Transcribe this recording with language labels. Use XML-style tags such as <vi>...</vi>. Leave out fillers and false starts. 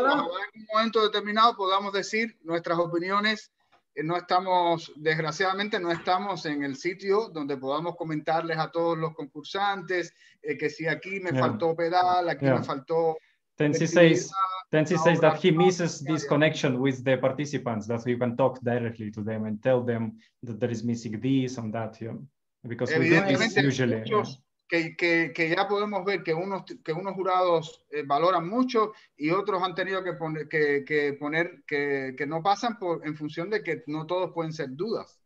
<es>En un momento determinado podamos decir nuestras opiniones. No estamos, desgraciadamente, no estamos en el sitio donde podamos comentarles a todos los concursantes que si aquí me faltó pedal, aquí me faltó.</es> <en>Tensi says that he misses this connection with the participants, that you can talk directly to them and tell them that there is missing this and that, because we do this usually.</en> <es>Que ya podemos ver que unos jurados valoran mucho y otros han tenido que poner que no pasan por en función de que no todos pueden ser dudas.</es>